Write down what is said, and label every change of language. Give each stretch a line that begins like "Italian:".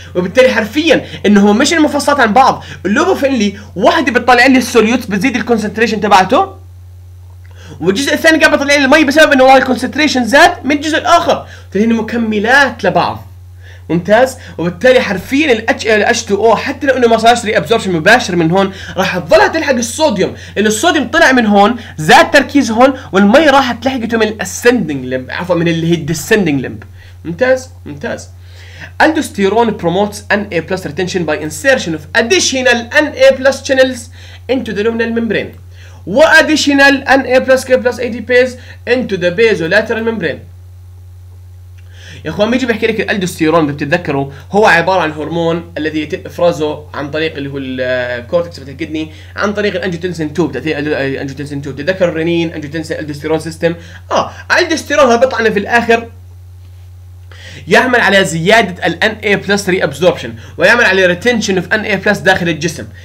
Arabic: وبالتالي حرفيا إنه مش المفصلات عن بعض، اللوب اوف انلي واحدة بتطلع لي السوليوتس بتزيد الكونسنتريشن تبعته والجزء الثاني قاعد بطلع لي المي بسبب إنه والله الكونسنتريشن زاد من الجزء الآخر، فهن مكملات لبعض. ممتاز. وبالتالي حرفيا ال H2O حتى لو انه ما صارش ريابزوربشن مباشر من هون راح تظلها تلحق الصوديوم، لانه الصوديوم طلع من هون زاد تركيز هون والمي راحت لحقته من الاسندنج ليمب، عفوا من اللي هي الديسندنج ليمب. ممتاز ممتاز.
English: Aldosterone promotes Na plus retention by insertion of additional Na plus channels into the luminal membrane و additional Na plus K plus ATPase into the basolateral membrane.
Arabic: يا اخوان بيجي بيحكي لك الالدوستيرون بتتذكروا هو عباره عن هرمون الذي يتم افرازه عن طريق اللي هو الكورتكس بتاع القدني عن طريق الانجيوتنسين 2 بتاثير الانجيوتنسين 2 بتتذكروا الرنين انجيوتنسين الالدوستيرون سيستم. الالدوستيرون هذا بطعنه في الاخر يعمل على زياده ال Na بلس ري ابزوربشن ويعمل على ريتنشن اوف Na بلس داخل الجسم.